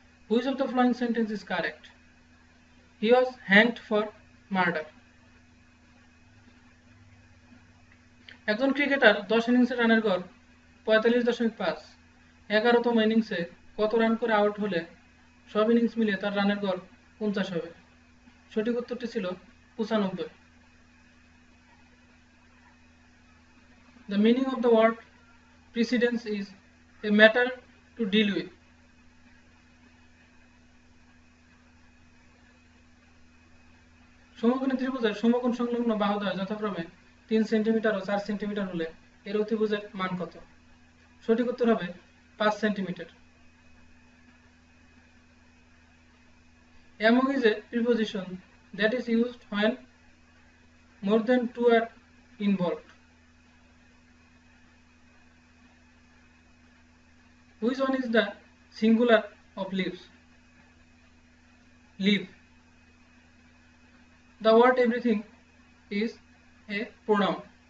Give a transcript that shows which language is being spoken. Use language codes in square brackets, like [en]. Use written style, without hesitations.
[en] Which of the following sentence is correct? He was hanged for murder. [bn] একজন cricketer 10 ইনিংসে রানের গড় 45.5, 11তম ইনিংসে কত রান করে আউট হলে সব ইনিংস মিলে তার রানের গড় 50 হবে? সঠিক উত্তরটি ছিল 95। [en] The meaning of the word precedence is a matter to deal with. [bn] সমকোণী ত্রিভুজের সমকোণ সংলগ্ন বাহু দ্বয় যথাক্রমে 3 সেন্টিমিটার ও 4 সেন্টিমিটার হলে এর অধিভুজের মান কত? সঠিক উত্তর হবে 5 centimetre. [en] Among is a preposition that is used when more than two are involve. Which one is the singular of leaves? Leave. The word everything is a pronoun.